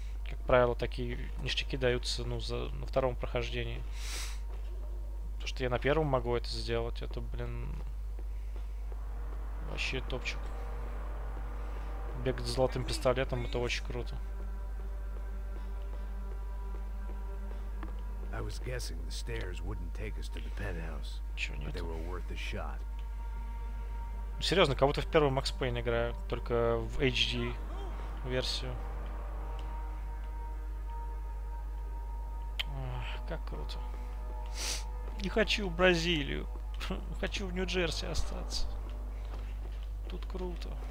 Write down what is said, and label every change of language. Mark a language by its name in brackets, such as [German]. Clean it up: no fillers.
[Russian] Как правило, такие ништяки даются, ну, на втором прохождении. То, что я на первом могу это сделать, это, блин, вообще топчик. Бегать с золотым пистолетом, это очень круто. [English] I was guessing the stairs wouldn't take us to the penthouse, [Russian] Чего [English] but [Russian] нет? [English] They were worth a shot. [Russian] Серьезно, как будто в первый Max Payne играю, только в HD версию. Как круто. Не хочу в Бразилию. Хочу в Нью-Джерси остаться. Тут круто.